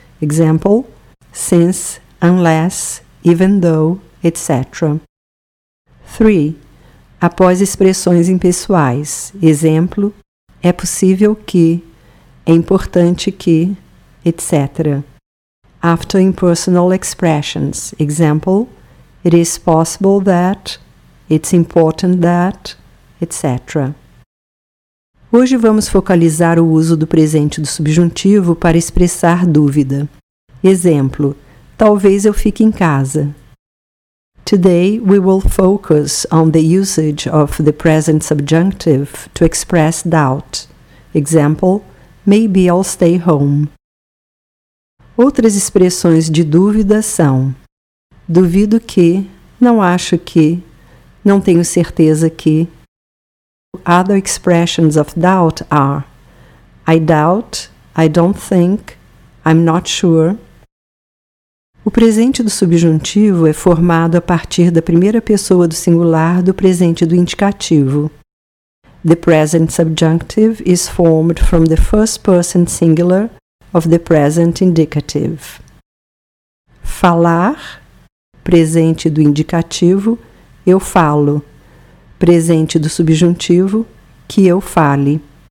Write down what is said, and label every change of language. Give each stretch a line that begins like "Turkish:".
English: Example, since, unless, even though, etc. 3.
Portuguese: Após expressões impessoais. Exemplo, é possível que, é importante que, etc.
English: After impersonal expressions. Example, it is possible that, it's important that, etc.
Portuguese: Hoje vamos focalizar o uso do presente do subjuntivo para expressar dúvida. Exemplo, talvez eu fique em casa.
English: Today we will focus on the usage of the present subjunctive to express doubt. Example, maybe I'll stay home.
Portuguese: Outras expressões de dúvida são duvido que, não acho que, não tenho certeza que.
English: Other expressions of doubt are I doubt, I don't think, I'm not sure.
Portuguese: O presente do subjuntivo é formado a partir da primeira pessoa do singular do presente do indicativo.
English: The present subjunctive is formed from the first person singular of the present indicative.
Portuguese: Falar, presente do indicativo, eu falo. Presente do subjuntivo, que eu fale.